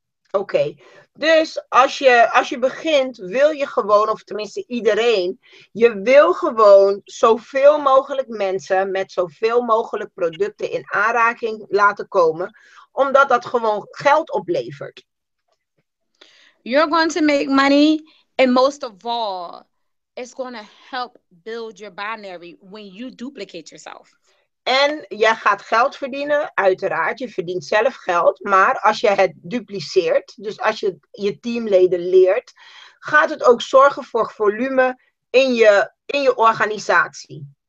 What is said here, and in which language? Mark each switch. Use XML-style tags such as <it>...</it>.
<nl>Okay, dus als je begint, wil je gewoon, of tenminste iedereen, je wil gewoon zoveel mogelijk mensen met zoveel mogelijk producten in aanraking laten komen, omdat dat gewoon geld oplevert.</nl> <en>You're going to make money, and most of all, it's going to help build your binary when you duplicate yourself.</en> <nl>En jij gaat geld verdienen, uiteraard. Je verdient zelf geld, maar als je het dupliceert, dus als je je teamleden leert, gaat het ook zorgen voor volume in je organisatie.</nl>